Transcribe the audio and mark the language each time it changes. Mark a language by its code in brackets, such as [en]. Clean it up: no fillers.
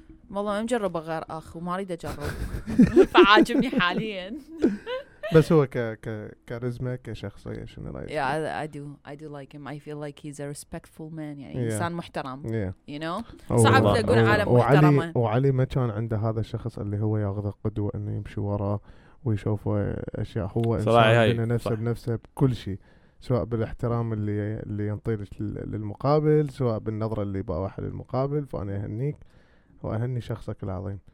[ar] والله ما مجرب غير اخ وما اريد اجرب فعاجبني حاليا بس هو كاريزما كشخصية شنو رأيك؟ [en] Yeah, I do like him. I feel like he's a respectful man. [ar] يعني yeah. إنسان محترم. [en] Yeah. You know. [ar] صعب تقول عالم محترم. وعلي ما كان عنده هذا الشخص اللي هو يأخذ قدوة إنه يمشي وراه ويشوف أشياء هو إنسان بين نفسه بنفسه بكل شيء سواء بالاحترام اللي ينطيلك للمقابل سواء بالنظرة اللي بقى واحد للمقابل فأنا أهنيك وأهني شخصك العظيم.